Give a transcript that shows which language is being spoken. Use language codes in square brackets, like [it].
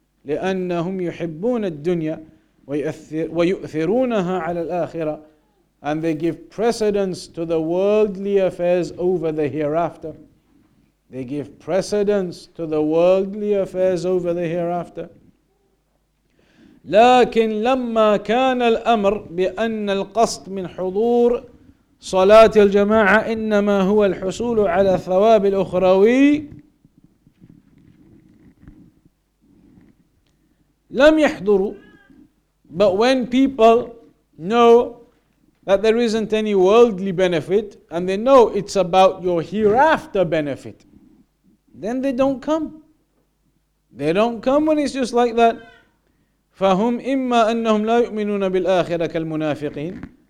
[ar] لأنهم يحبون الدنيا ويؤثرونها على الآخرة. [en] And they give precedence to the worldly affairs over the hereafter. They give precedence to the worldly affairs over the hereafter. [ar] لكن لما كان الأمر بأن القصد من حضور صلاة الجماعة إنما هو الحصول على الثواب الأخروي لم يحضروا. [en] But when people know that there isn't any worldly benefit and they know it's about your hereafter benefit, then they don't come. They don't come when it's just like that. [ar] فَهُمْ إِمَّا أَنَّهُمْ لَا يُؤْمِنُونَ بِالْآخِرَةِ كَالْمُنَافِقِينَ.